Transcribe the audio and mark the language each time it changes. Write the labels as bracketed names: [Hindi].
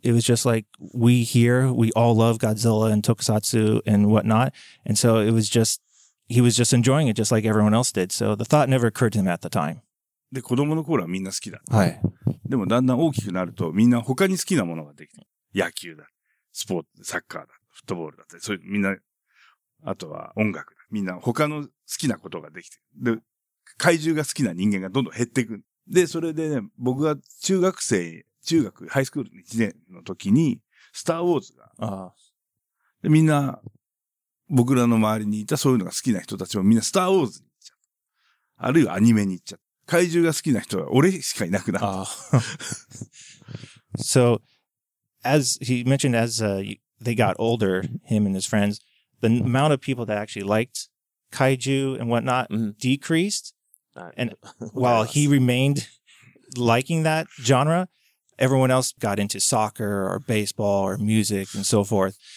[English] It was just like, we here, we all love Godzilla and Tokusatsu and whatnot. And so it was just, he was just enjoying it just like everyone else did. So the thought never occurred to him at the time. [Japanese] で、子供の頃はみんな好きだ。はい。でもだんだん大きくなるとみんな他に好きなものができる。野球だ、スポーツ、サッカーだ、フットボールだって、そういうみんな、あとは音楽だ。みんな他の好きなことができて、で、怪獣が好きな人間がどんどん減っていく。で、それでね、僕が中学、ハイスクール1年の時に、スターウォーズが、で、みんな、僕らの周りにいたそういうのが好きな人たちもみんなスターウォーズに行っちゃう。あるいはアニメに行っちゃう。怪獣が好きな人は俺しかいなくなった。 [English] So, as he mentioned, as they got older, him and his friends, the amount of people that actually liked kaiju and whatnot decreased. And while he remained liking that genre, everyone else got into soccer or baseball or music and so forth.